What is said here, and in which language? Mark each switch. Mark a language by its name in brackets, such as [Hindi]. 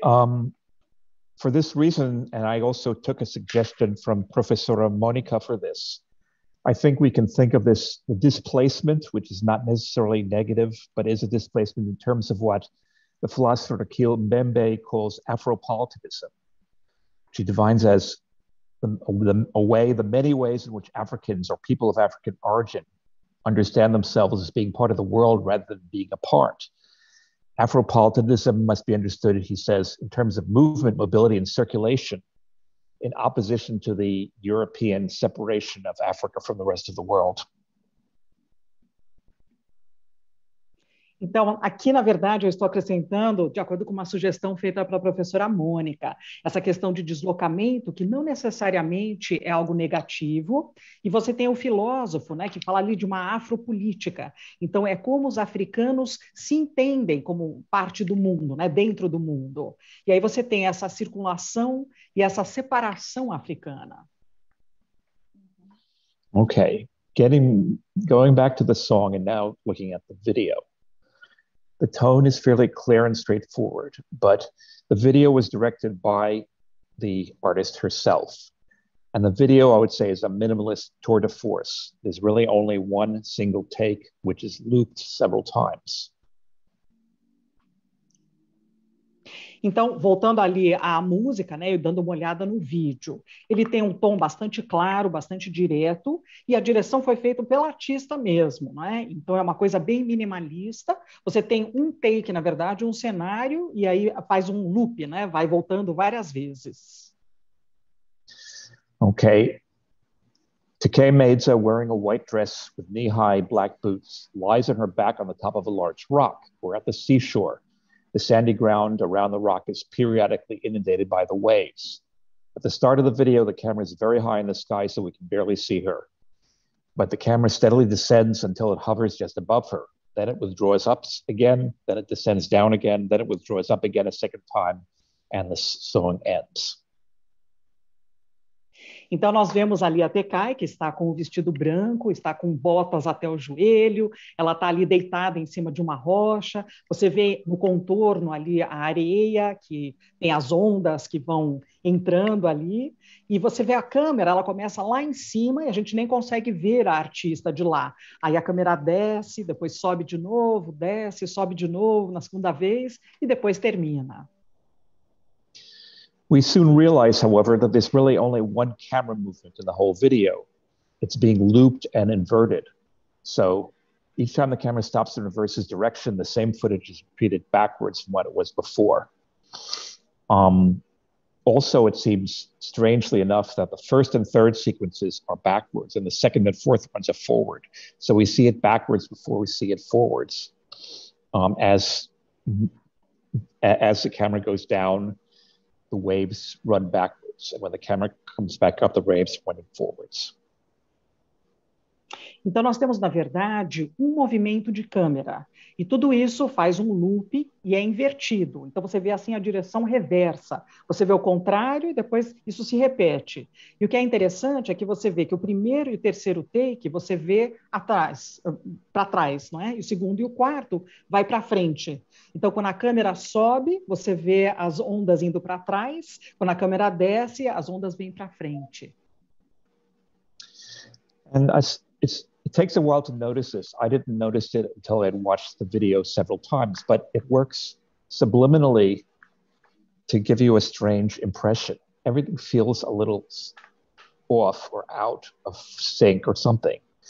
[English] For this reason, and I also took a suggestion from Professora Monica for this, I think we can think of this the displacement, which is not necessarily negative, but is a displacement in terms of what the philosopher Akil Mbembe calls Afropolitivism, which he defines as the many ways in which Africans or people of African origin understand themselves as being part of the world rather than being apart. Afropolitanism must be understood, he says, in terms of movement, mobility, and circulation, in opposition to the European separation of Africa from the rest of the world. [Portuguese] Então, aqui, na verdade, eu estou acrescentando, de acordo com uma sugestão feita pela professora Mônica, essa questão de deslocamento, que não necessariamente é algo negativo, e você tem o filósofo, né, que fala ali de uma afropolítica. Então, é como os africanos se entendem como parte do mundo, né, dentro do mundo. E aí você tem essa circulação e essa separação africana. Ok. [English] Going back to the song and now looking at the video. The tone is fairly clear and straightforward, but the video was directed by the artist herself. And the video, I would say, is a minimalist tour de force. There's really only one single take, which is looped several times. [Portuguese] Então, voltando ali à música, né, e dando uma olhada no vídeo, ele tem um tom bastante claro, bastante direto, e a direção foi feita pela artista mesmo, né? Então, é uma coisa bem minimalista. Você tem um take, na verdade, um cenário, e aí faz um loop, né? Vai voltando várias vezes. [English] Ok. TK Maids, wearing a white dress with knee-high black boots, lies on her back on the top of a large rock. We're at the seashore. The sandy ground around the rock is periodically inundated by the waves. At the start of the video, the camera is very high in the sky, so we can barely see her. But the camera steadily descends until it hovers just above her. Then it withdraws up again, then it descends down again, then it withdraws up again a second time, and the song ends. [Portuguese] Então, nós vemos ali a Tecai, que está com o vestido branco, está com botas até o joelho, ela está ali deitada em cima de uma rocha. Você vê no contorno ali a areia, que tem as ondas que vão entrando ali. E você vê a câmera, ela começa lá em cima e a gente nem consegue ver a artista de lá. Aí a câmera desce, depois sobe de novo, desce, sobe de novo na segunda vez e depois termina. [English] We soon realize, however, that there's really only one camera movement in the whole video. It's being looped and inverted. So each time the camera stops and reverses direction, the same footage is repeated backwards from what it was before. Also, it seems strangely enough that the first and third sequences are backwards and the second and fourth ones are forward. So we see it backwards before we see it forwards. As the camera goes down, the waves run backwards, and when the camera comes back up, the waves run forwards. [Portuguese] Então, nós temos, na verdade, um movimento de câmera. E tudo isso faz um loop e é invertido. Então, você vê assim a direção reversa. Você vê o contrário e depois isso se repete. E o que é interessante é que você vê que o primeiro e o terceiro take, você vê atrás, para trás, não é? E o segundo e o quarto vai para frente. Então, quando a câmera sobe, você vê as ondas indo para trás. Quando a câmera desce, as ondas vêm para frente. [English] And it takes a while to notice this. I didn't notice it until I had watched the video several times, but it works subliminally to give you a strange impression. Everything feels a little off or out of sync or something.